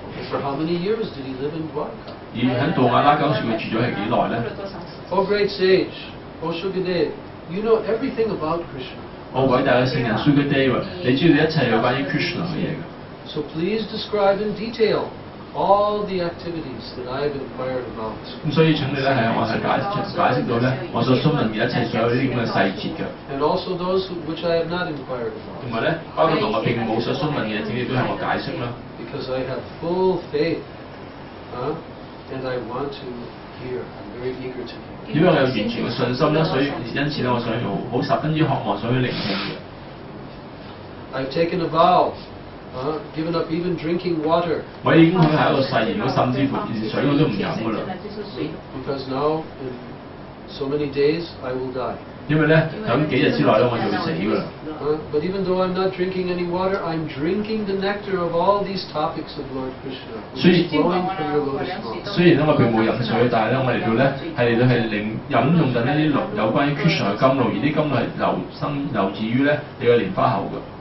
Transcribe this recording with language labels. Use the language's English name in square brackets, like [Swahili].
[English] For how many years did he live in Dwarka? [Cantonese] 而喺杜瓦拉嗰時，佢住咗係幾耐咧 [English] ？Oh great sage, O Sukadeva, you know everything about Krishna. [Cantonese] 我偉大嘅聖人 Sukadeva， 你知道一切有關於 Krishna 嘅嘢嘅。 [English] So please describe in detail all the activities that I have inquired about. [Cantonese] 咁所以請你咧係我係解釋到咧，我所詢問嘅一切所有呢啲咁嘅細節嘅。 [English] And also those which I have not inquired about. [Cantonese] 同埋咧，包括同我並冇所詢問嘅，請你都向我解釋啦。 [English] Because I have full faith, and I want to hear. I'm very eager to hear. [Cantonese] 因為我有完全嘅信心咧，所以因此咧，我想好十分之渴望想去聆聽嘅。 [English] I've taken a vow, given up even drinking water. [Cantonese] 我已經係一個誓言，我甚至乎連水我都唔飲噶啦。 [English] Because now, in so many days, I will die. [Cantonese] 因為咧，喺幾日之內咧，我就會死噶啦。 [English] But even though I'm not drinking any water, I'm drinking the nectar of all these topics of Lord Krishna. [Cantonese] 雖然咧，我並冇飲水，但係咧，我嚟到咧係嚟到係領飲用緊一啲露有關於 Krishna 嘅甘露，而啲甘露係流自於咧你嘅蓮花喉嘅。